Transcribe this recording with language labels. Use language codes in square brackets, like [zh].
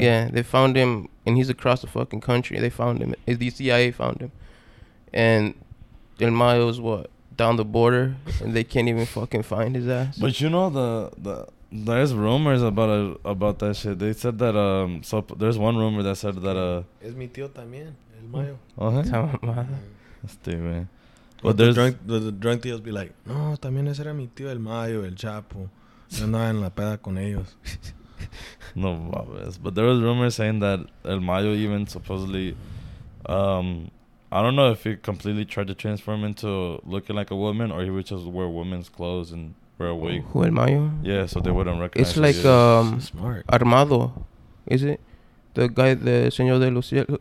[en] Yeah, they found him, and he's across the fucking country. They found him. The CIA found him. And El Mayo's what? Down the border, and they can't even fucking find his ass. But you know, there's rumors about that shit. They said that there's one rumor that said that [es] es mi tío también, El Mayo. [en] Oh, hey. That's stupid. But the drunk tíos be like, [es] no, también ese era mi tío El Mayo, El Chapo. Yo andaba en la peda con ellos. [en] No, but there was rumors saying that El Mayo even supposedly, I don't know if he completely tried to transform into looking like a woman, or he would just wear women's clothes and wear a wig. Who, El Mayo? Yeah, so they wouldn't recognize him. It's like smart. Armado, is it? The guy, the Señor de los Cielos?